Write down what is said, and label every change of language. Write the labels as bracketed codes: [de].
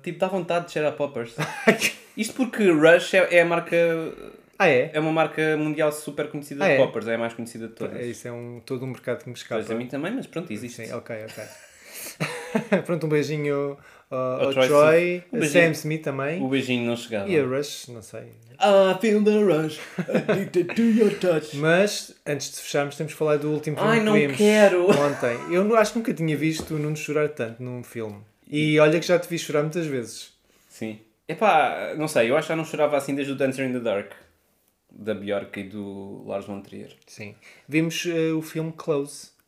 [pt] Tipo, dá vontade de cheirar poppers. Isto porque Rush é a marca... Ah, é? É uma marca mundial super conhecida de poppers, é a mais conhecida de todas. É isso, é todo um mercado que me escapa. Pois, a mim também, mas pronto, existe. Sim, ok. Pronto, um beijinho ao Troy. Um beijinho. Sam Smith também. O beijinho não chegava. E a Rush, não sei. [en] I feel the rush, addicted to your touch. [pt] Mas, antes de fecharmos, temos de falar do último filme. Ai, que não quero. Ontem. Eu acho que nunca tinha visto o Nuno chorar tanto num filme. E olha que já te vi chorar muitas vezes. Sim. Epá, não sei, eu acho que já não chorava assim desde o Dancer in the Dark, da Björk e do Lars von Trier. Sim. Vimos o filme Close.